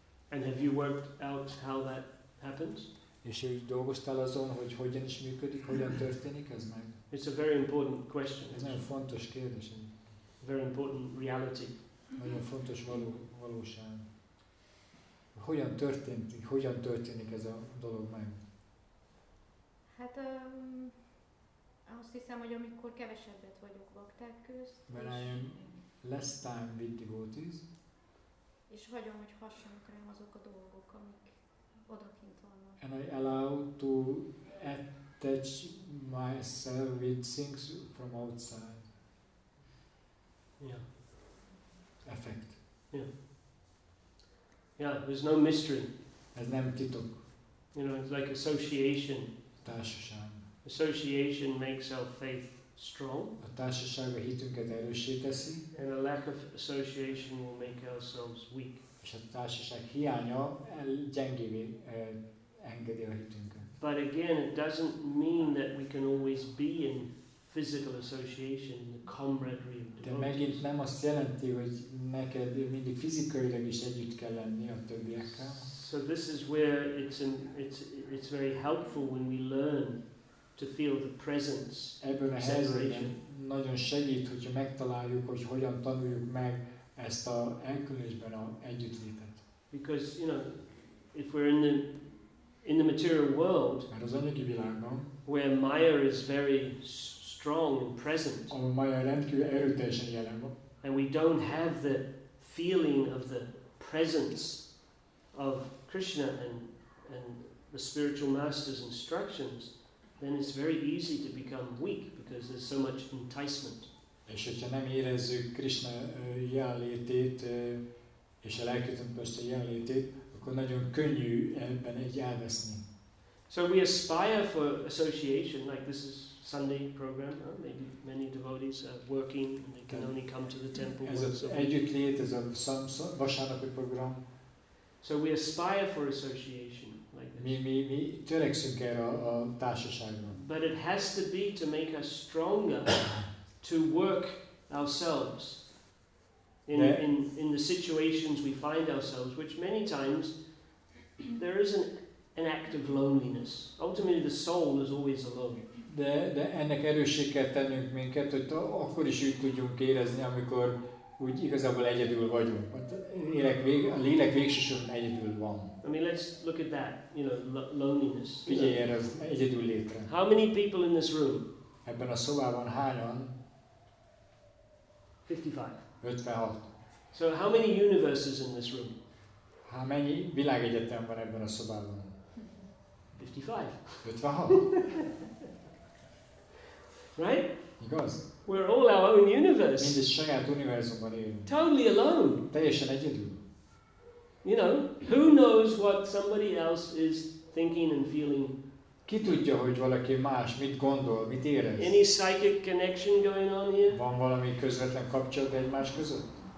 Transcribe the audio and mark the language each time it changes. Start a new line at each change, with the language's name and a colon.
English: And have you worked out how that happens?
Hungarian: És hogy dolgoztál azon, hogy hogyan is működik, hogyan történik ez meg?
English: It's a very important question.
Hungarian: Ez nagyon fontos kérdés.
English: Very important reality.
Hungarian: Nagyon fontos valóság. Hogyan történik ez a dolog meg? Hát azt hiszem, hogy amikor kevesebbet vagyok vakták közt.
English: When I am less time with devotees.
Hungarian: És hagyom, hogy hassanak rám azok a dolgok, amik odakint vannak.
English: And I allow to attach myself with things from outside. Yeah. Effect. Yeah. Yeah, there's no mystery.
Hungarian: Ez nem titok.
English: You know, it's like association.
Hungarian: A társaság.
English: Association makes our faith strong.
Hungarian: A társaság a hitünket erőssé teszi.
English: And a lack of association will make ourselves weak.
Hungarian: És a társaság hiánya gyengévé engedi a hitünket.
English: But again, it doesn't mean that we can always be in physical association, the camaraderie of devotees.
Hungarian: De megint nem azt jelenti, hogy neked mindig fizikailag is együtt kell lenni a többiekkel.
English: So this is where it's very helpful when we learn to feel the presence.
Hungarian: Ebben a helyzetben nagyon segít, hogyha megtaláljuk, hogy hogyan tanuljuk meg ezt a elkülönésben a együttlétet.
English: Because you know, if we're in the material world,
Hungarian: mert az anyagi világban,
English: where Maya is very strong and present. And we don't have the feeling of the presence of Krishna and the spiritual master's instructions, then it's very easy to become weak because there's so much enticement.
Hungarian: És hogyha nem érezzük Krishna jelenlétét és a lelkületünk persze jelenlétét, akkor nagyon könnyű ebben egy elveszni.
English: So we aspire for association, like this is Sunday program, maybe many devotees are working and they can only come to the temple as once a week.
Hungarian: Együttlét, ez a vasárnapi program.
English: So we aspire for association like this.
Hungarian: Mi törekszünk erre a társaságra.
English: But it has to be to make us stronger to work ourselves. in the situations we find ourselves, which many times there is an act of loneliness. Ultimately, the soul is always alone.
Hungarian: De ennek erősséget kell tennünk minket, hogy akkor is úgy tudjunk érezni, amikor úgy igazából egyedül vagyunk. A lélek végsősorban egyedül van.
English: I mean, let's look at that, you know, loneliness.
Hungarian: Figyelj erre az egyedül létre.
English: How many people in this room?
Hungarian: Ebben a szobában hányan?
English: 55. So how many universes in this room?
Hungarian: Há mennyi világegyetem van ebben a szobában?
English: 55. 56. Right?
Hungarian: Igaz?
English: We're all our own universe.
Hungarian: Mind a saját univerzumban élünk.
English: Totally alone.
Hungarian: Teljesen egyedül.
English: You know, who knows what somebody else is thinking and feeling?
Hungarian: Ki tudja, hogy valaki más mit gondol, mit érez?
English: Any psychic connection going on here?
Hungarian: Van valami közvetlen kapcsolat egymás között?